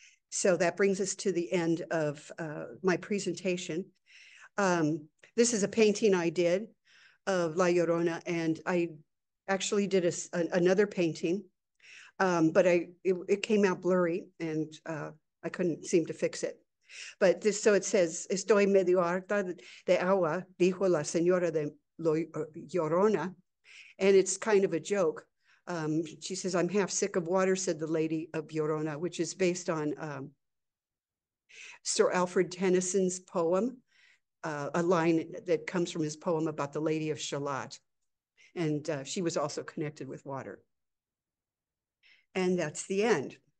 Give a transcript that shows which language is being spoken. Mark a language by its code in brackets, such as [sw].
[en] So that brings us to the end of my presentation. This is a painting I did of La Llorona, and I actually did another painting, but it came out blurry, and I couldn't seem to fix it. But this, so it says, [es] estoy medio harta de agua, dijo la señora de Llorona. [en] And it's kind of a joke. She says, I'm half sick of water, said the lady of Llorona, which is based on Sir Alfred Tennyson's poem, a line that comes from his poem about the Lady of Shalott. And she was also connected with water. And that's the end.